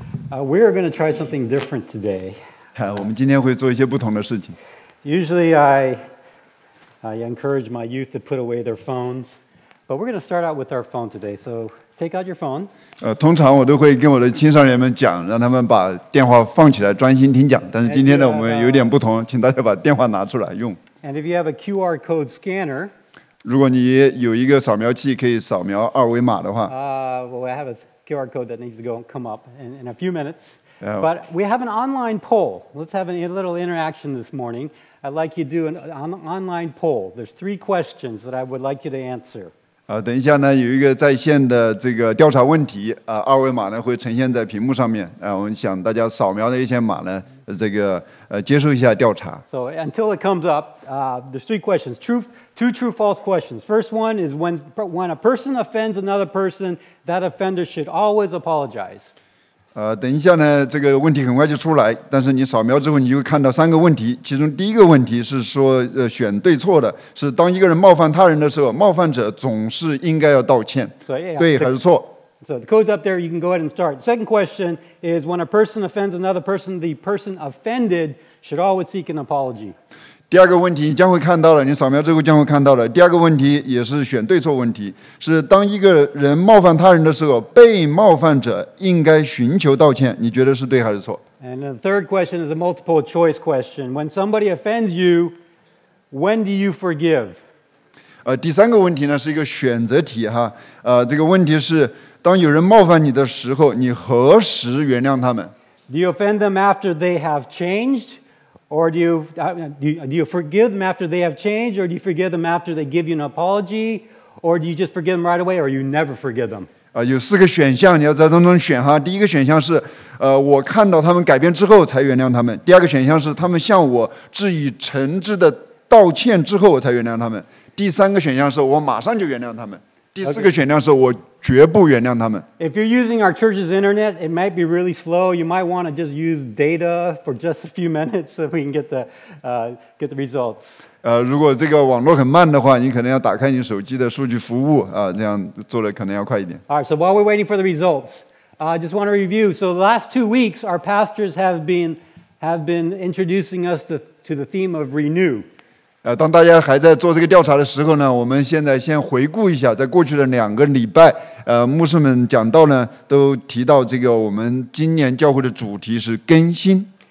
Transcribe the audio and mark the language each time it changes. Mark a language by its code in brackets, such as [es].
[en] We are going to try something different today. [zh] 我们今天会做一些不同的事情。 [en] Usually I encourage my youth to put away their phones, but we're going to start out with our phone today. So take out your phone. [zh] 通常我都会跟我的青少年们讲，让他们把电话放起来，专心听讲。但是今天呢，我们有点不同，请大家把电话拿出来用。 [en] And if you have a QR code scanner. [zh] 如果你有一个扫描器可以扫描二维码的话 [en] I have a QR code that needs to go come up in a few minutes. But we have an online poll. Let's have a little interaction this morning. I'd like you to do an online poll. There's three questions that I would like you to answer. [zh] 等一下呢，有一个在线的这个调查问题，二维码呢会呈现在屏幕上面。我们想大家扫描的一些码呢，这个接受一下调查。 [en] So until it comes up, there's three questions. Two true false questions. First one is when a person offends another person, that offender should always apologize. [zh] 等一下呢，这个问题很快就出来，但是你扫描之后，你就会看到三个问题。其中第一个问题是说，选对错的，是当一个人冒犯他人的时候，冒犯者总是应该要道歉， [en] so, yeah, [zh] 对还是错？ [en] So the code's up there. You can go ahead and start. Second question is when a person offends another person, the person offended should always seek an apology. [zh] 第二个问题你将会看到了，你扫描之后将会看到了。第二个问题也是选对错问题，是当一个人冒犯他人的时候，被冒犯者应该寻求道歉。你觉得是对还是错？ [en] And the third question is a multiple choice question. When somebody offends you, when do you forgive? [zh] 第三个问题呢是一个选择题哈。这个问题是当有人冒犯你的时候，你何时原谅他们？ [en] Do you offend them after they have changed? Or do you forgive them after they have changed? Or do you forgive them after they give you an apology? Or do you just forgive them right away? Or you never forgive them? [zh] 有四个选项，你要在当中选哈。第一个选项是，我看到他们改变之后才原谅他们。第二个选项是，他们向我致以诚挚的道歉之后我才原谅他们。第三个选项是我马上就原谅他们。第四个选项是我绝不原谅他们。 [en] Okay. If you're using our church's internet, it might be really slow. You might want to just use data for just a few minutes so we can get the results. [zh] 如果这个网络很慢的话，你可能要打开你手机的数据服务啊，这样做的可能要快一点。 [en] All right. So while we're waiting for the results, I just want to review. So the last 2 weeks, our pastors have been introducing us to the theme of renew. [zh] 当大家还在做这个调查的时候呢，我们现在先回顾一下，在过去的两个礼拜，牧师们讲到呢，都提到这个我们今年教会的主题是更新。